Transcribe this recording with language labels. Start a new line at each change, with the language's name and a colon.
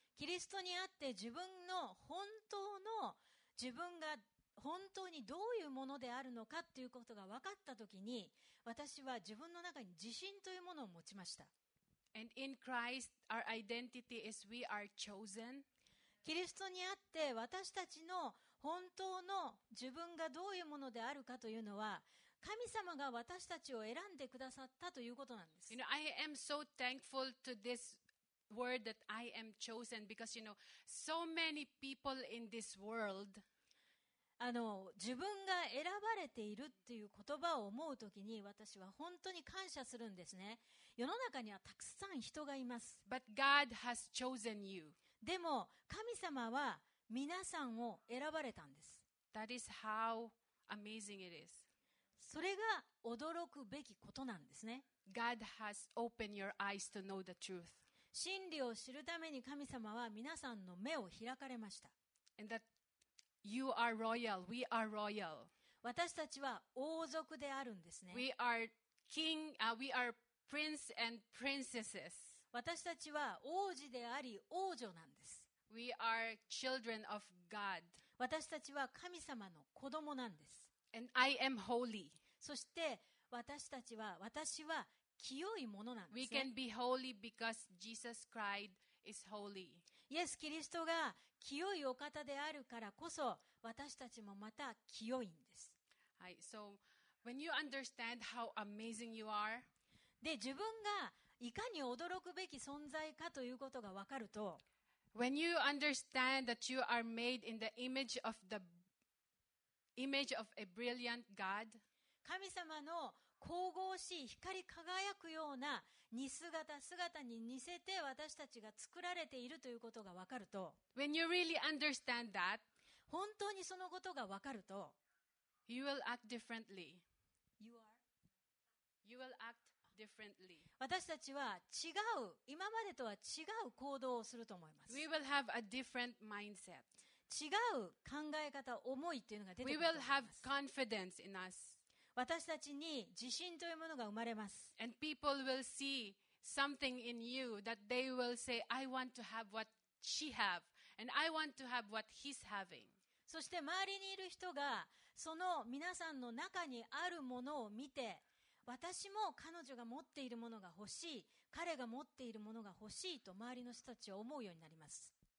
Japanese: キリストにあって自分の本当の自分が本当にどういうものであるのかということが分かったときに、私は自分の中に自信というものを持ちました。
English: And in Christ, our identity is we are chosen.
Japanese: キリストにあって私たちの本当の自分がどういうものであるかというのは、神様が私たちを選んでくださったということなんです。
English: You know, I am so thankful to this. Word that I am chosen because you know so many people in this world.
Japanese: 自分が選ばれているっていう言葉を思うときに私は本当に感謝するんですね。世の中にはたくさん人がいます。
English: But God has chosen you.
Japanese: でも神様は皆さんを選ばれたんです。
English: That is how amazing it is.
Japanese: それが驚くべきことなんですね。
English: God has opened your eyes to know the truth.
Japanese: 真理を知るために神様は皆さんの目を開かれました。
English: And that you are royal. We are royal.
Japanese: 私たちは王族であるんですね。
English: We are king, we are prince and princesses.
Japanese: 私たちは王子であり王女なんです。
English: We are children of God.
Japanese: 私たちは神様の子供なんです。
English: And I am holy.
Japanese: そして私は清いものなんですね。
English: We can be holy because Jesus Christ is holy.
Japanese: イエス・キリストが清いお方であるからこそ私たちもまた清いんです。
English: はい、So when you understand how amazing you are,
Japanese: で自分がいかに驚くべき存在かということがわかると、
English: When you understand that you are made in the image of a brilliant God,
Japanese: 神様の神々しい光り輝くような似姿姿に似せて私たちが作られているということが分かると、
English: When you really understand that,
Japanese: 本当にそのことが分かると、
English: You will act differently. You are? You will act differently.
Japanese: 私たちは違う、今までとは違う行動をすると思います。
English: We will have a different mindset.
Japanese: 違う考え方、思いというのが出てくると思います。
English: We will have confidence in us.
Japanese: 私たちに自信というものが生まれます。
English: And people will see something in you that they will say, I want to have what she have, and I want to have what he's having.
Japanese: そして周りにいる人がその皆さんの中にあるものを見て、私も彼女が持っているものが欲しい、彼が持っているものが欲しいと周りの人たちは思うようになります。